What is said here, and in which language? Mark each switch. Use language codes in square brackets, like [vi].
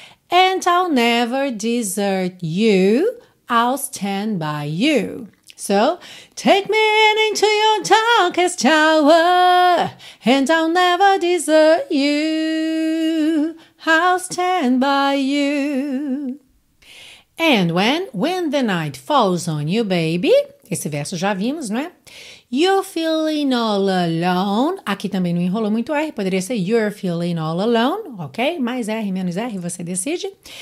[en] And I'll never desert you, I'll stand by you. So, take me in into your darkest tower, and I'll never desert you, I'll stand by you. And when the night falls on you, baby, [pt] esse verso já vimos, não é? [en] You're feeling all alone. [pt] Aqui também não enrolou muito R, poderia ser [en] you're feeling all alone, [pt] ok? Mais R, menos R, você decide.